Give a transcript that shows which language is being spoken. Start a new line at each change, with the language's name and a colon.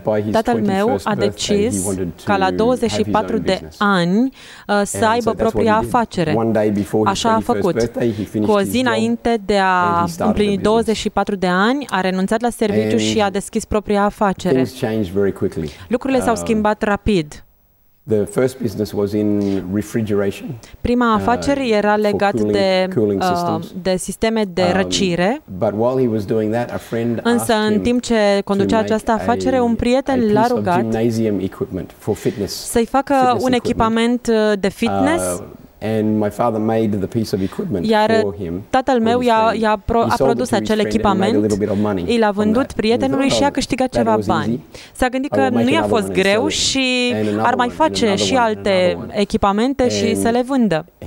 Romanian: Tatăl meu a decis ca la 24 de ani să aibă propria afacere. Așa a făcut. Cu o zi înainte de a împlini 24 de ani, a renunțat la serviciu și a deschis propria afacere. Lucrurile s-au schimbat rapid.
English: The first business was in refrigeration.
Romanian: Prima afacere era legat de sisteme de răcire.
English: But while he was doing that, a friend asked him.
Romanian: Însă în timp ce conducea această afacere, un prieten l-a rugat
English: gymnasium equipment for fitness.
Romanian: Să-i facă un echipament de fitness.
English: And my father made the piece of equipment for him.
Romanian: Tatăl meu a produs acel echipament, l-a vândut prietenului și a câștigat ceva bani. S-a gândit că nu i-a fost greu și ar mai face și alte echipamente și să le vândă.